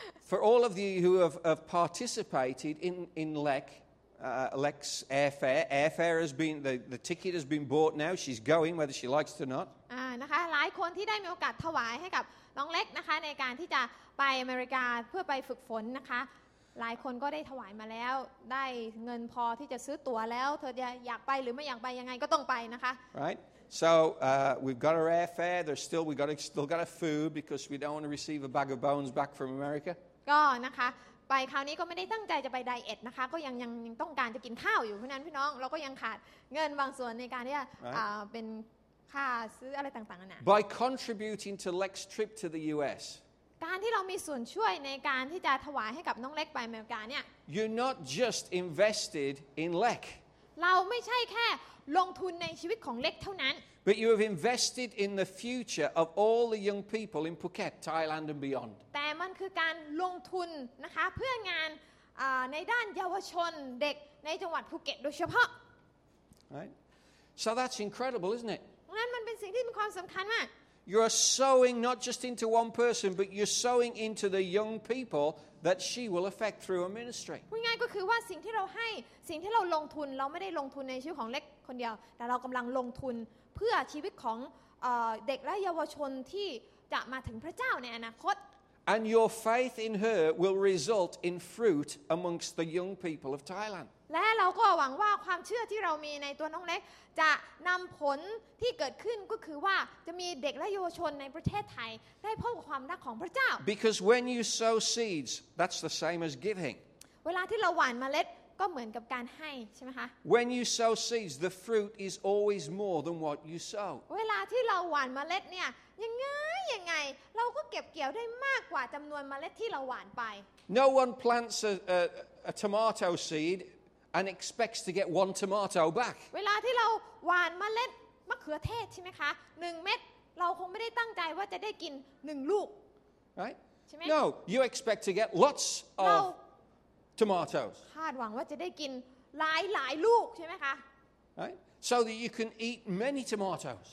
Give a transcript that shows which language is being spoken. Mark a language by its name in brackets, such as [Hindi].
[English] For all of you who have participated in Lek, Lek's airfare, airfare has been, the ticket has been bought now. She's going whether she likes it or not. [Thai] นะคะหลายคนที่ได้มีโอกาสถวายให้กับน้องเล็กนะคะในการที่จะไปอเมริกาเพื่อไปฝึกฝนนะคะหลายคนก็ได้ถวายมาแล้วได้เงินพอที่จะซื้อตั๋วแล้วเธออยากไปหรือไม่อยากไปยังไงก็ต้องไปนะคะ [English] Right so we've got our airfare there's still we got still got a food because we don't want to receive a bag of bones back from America [Thai] ก็นะคะไปคราวนี้ก็ไม่ได้ตั้งใจจะไปไดเอทนะคะก็ยังต้องการจะกินข้าวอยู่เพราะนั้นพี่น้องเราก็ยังขาดเงินบางส่วนในการที่จะเป็นค่าซื้ออะไรต่างๆนะ [English] By contributing to Lex's trip to the US [Thai] การที่เรามีส่วนช่วยในการที่จะถวายให้กับน้องเล็กไปอเมริกาเนี่ย [English] You're not just invested in Lek [Thai] เราไม่ใช่แค่ลงทุนในชีวิตของเล็กเท่านั้น [English] But you have invested in the future of all the young people in Phuket, Thailand and beyond [Thai] แต่มันคือการลงทุนนะคะเพื่องานในด้านเยาวชนเด็กในจังหวัดภูเก็ตโดยเฉพาะ [English] Right So that's incredible isn't it [Thai] งั้นมันเป็นสิ่งที่มีความสําคัญมาก [English] You are sowing not just into one person, but you're sowing into the young people that she will affect through her ministry. [Thai] พูดง่ายก็คือว่าสิ่งที่เราให้สิ่งที่เราลงทุนเราไม่ได้ลงทุนในชีวิตของเล็กคนเดียวแต่เรากำลังลงทุนเพื่อชีวิตของเด็กและเยาวชนที่จะมาถึงพระเจ้าในอนาคต [English] And your faith in her will result in fruit amongst the young people of Thailand. [Thai] และเราก็หวังว่าความเชื่อที่เรามีในตัวน้องเล็กจะนำผลที่เกิดขึ้นก็คือว่าจะมีเด็กและเยาวชนในประเทศไทยได้พบความรักของพระเจ้า [English] Because when you sow seeds, that's the same as giving. [Thai] เวลาที่เราหว่านเมล็ดก็เหมือนกับการให้ใช่ไหมคะ [English] When you sow seeds, the fruit is always more than what you sow. [Thai] เวลาที่เราหว่านเมล็ดเนี่ยยังไงเราก็เก็บเกี่ยวได้มากกว่าจำนวนเมล็ดที่เราหว่านไป [English] No one plants a tomato seed. And expects to get one tomato back. [Thai] เวลาที่เราหว่านเมล็ดมะเขือเทศใช่ไหมคะ1เม็ดเราคงไม่ได้ตั้งใจว่าจะได้กิน1ลูก [English] Right? [Thai] ใช่ไหม [English] No, you expect to get lots of tomatoes. [Thai] คาดหวังว่าจะได้กินหลายลูกใช่ไหมคะ [English] Right? So that you can eat many tomatoes.